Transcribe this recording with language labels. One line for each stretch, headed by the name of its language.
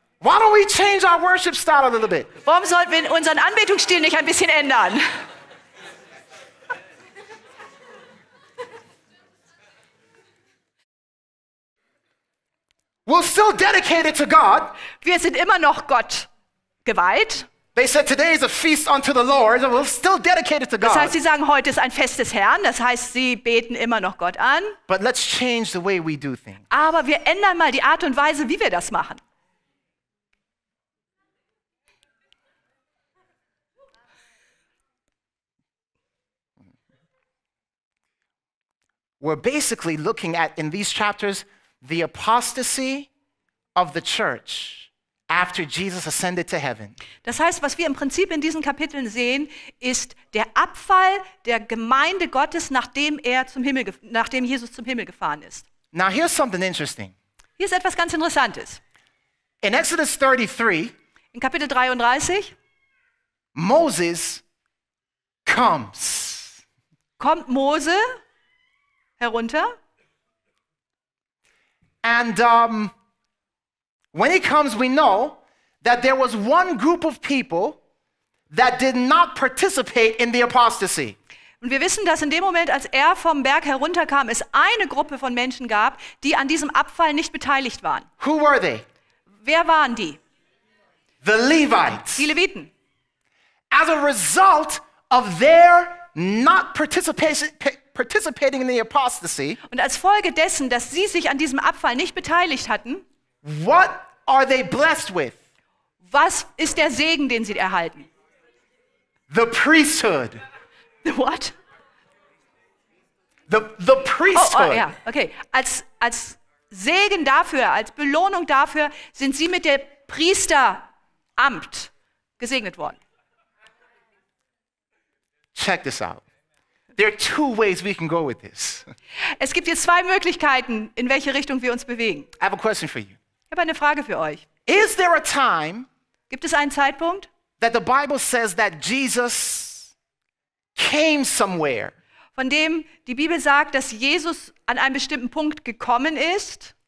English: why don't we change our worship style a little bit?
German: Warum sollten wir unseren Anbetungsstil nicht ein bisschen ändern?
English: We're still dedicated to God.
German: Wir sind immer noch Gott geweiht.
English: They said today is a feast unto the Lord. So we're still dedicated to God.
German: Das heißt, sie sagen, heute ist ein Fest des Herrn. Das heißt, sie beten immer noch Gott an.
English: But let's change the way we do things.
German: Aber wir ändern mal die Art und Weise, wie wir das machen.
English: We're basically looking at in these chapters the apostasy of the church after Jesus ascended to heaven.
German: Das heißt, was wir im Prinzip in diesen Kapiteln sehen, ist der Abfall der Gemeinde Gottes, nachdem Jesus zum Himmel gefahren ist.
English: Now here's something interesting.
German: Hier ist etwas ganz Interessantes.
English: In Exodus 33,
German: in Kapitel 33,
English: Moses comes.
German: Kommt Mose herunter.
English: And when he comes, we know that there was one group of people that did not participate in the apostasy.
German: Und wir wissen, dass in dem Moment, als er vom Berg herunterkam, es eine Gruppe von Menschen gab, die an diesem Abfall nicht beteiligt waren.
English: Who were they?
German: Wer waren die?
English: The Levites.
German: Die Leviten.
English: As a result of their not participating in the apostasy.
German: Und als Folge dessen, dass sie sich an diesem Abfall nicht beteiligt hatten,
English: what are they blessed with?
German: Was ist der Segen, den sie erhalten?
English: The priesthood. The what? The priesthood.
German: Oh, ja, okay. Als Segen dafür, als Belohnung dafür, sind sie mit dem Priesteramt gesegnet worden.
English: Check this out. There are two ways we can go with this.
German: Es gibt jetzt zwei Möglichkeiten, in welche Richtung wir uns bewegen.
English: I have a question for you.
German: Ich habe eine Frage für euch.
English: Is there a time?
German: Gibt es einen Zeitpunkt?
English: That the Bible says that Jesus came somewhere.
German: Von dem die Bibel sagt, dass Jesus an einem bestimmten Punkt gekommen ist.